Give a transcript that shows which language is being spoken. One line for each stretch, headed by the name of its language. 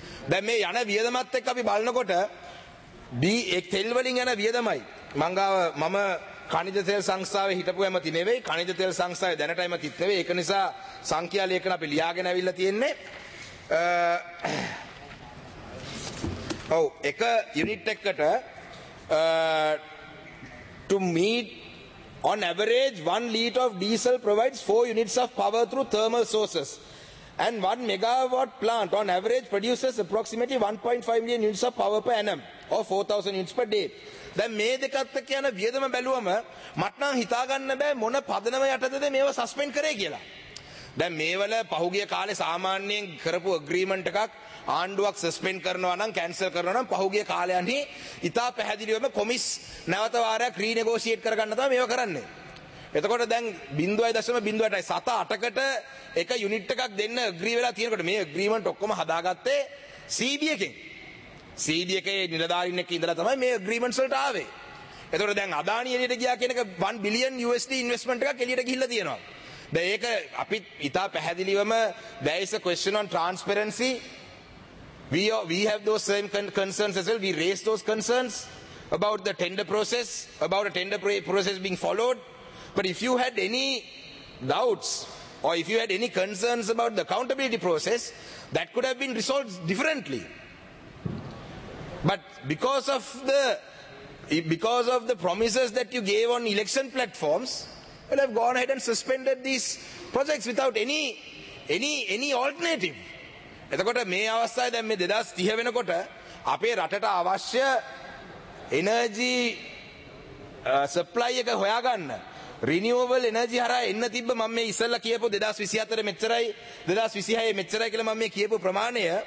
Sinhala: දැන් මේ යන වියදමත් එක්ක අපි බලනකොට B එක් තෙල් වලින් යන වියදමයි මංගාව මම කනිජතෙල් සංස්ථාවේ හිටපු ඇමති නෙවෙයි, කනිජතෙල් සංස්ථාවේ දැනට ඇමතිත් නෙවෙයි. ඒක නිසා සංඛ්‍යා ලේඛන අපි ලියාගෙන ඇවිල්ලා තියෙන්නේ. ඔව්, එක යුනිට් එකකට
English: to meet on average 1 liter of diesel provides 4 units of power through thermal sources and 1 megawatt plant on average produces approximately 1.5 million units of power per annum or 4000 units per day.
Sinhala: දැන් මේ දෙකත් කියන වියදම බැලුවම මට නම් හිතා ගන්න බෑ මොන පදනම යටතේද මේව සස්පෙන්ඩ් කරේ කියලා. දැන් මේවල පහුගිය කාලේ සාමාන්‍යයෙන් කරපු අග්‍රීමන්ට් එකක් ආණ්ඩුවක් සස්පෙන්ඩ් කරනවා නම් කැන්සල් කරනවා නම් පහුගිය කාලයන්හි ඉතා පැහැදිලිවම කොමිස් නැවත වාරයක් රීනෙගෝෂියේට් කරගන්න තමයි මේව කරන්නේ. එතකොට දැන් 0.08 සත 8කට එක යුනිට් එකක් දෙන්න අග්‍රී වෙලා තියෙනකොට මේ අග්‍රීමන්ට් ඔක්කොම හදාගත්තේ CD එකෙන්. CD එකේ නිලධාරින් එක්ක ඉඳලා තමයි මේ අග්‍රීමන්ට්ස් වලට ආවේ. එතකොට දැන් අදානි එළියට ගියා කියන එක 1 billion USD ඉන්වෙස්ට්මන්ට් එකක් එළියට ගිහිල්ලා තියෙනවා. දැන් ඒක අපි ඉතා පැහැදිලිවම
English: there is a question on transparency. We have those same concerns as well. We raise those concerns about the tender process, about a tender process being followed. But if you had any doubts or if you had any concerns about the accountability process, that could have been resolved differently. But because of the promises that you gave on election platforms, well, I've gone ahead and suspended these projects without any alternative.
Sinhala: එතකොට මේ අවස්ථාවේ දැන් මේ 2030 වෙනකොට අපේ රටට අවශ්‍ය energy supply එක හොයාගන්න රිනියුවබල් එනර්ජි හරහා එන්න තිබ්බ මම මේ ඉස්සෙල්ලා කියපු 2024 මෙච්චරයි 2026 මෙච්චරයි කියලා මම මේ කියපු ප්‍රමාණය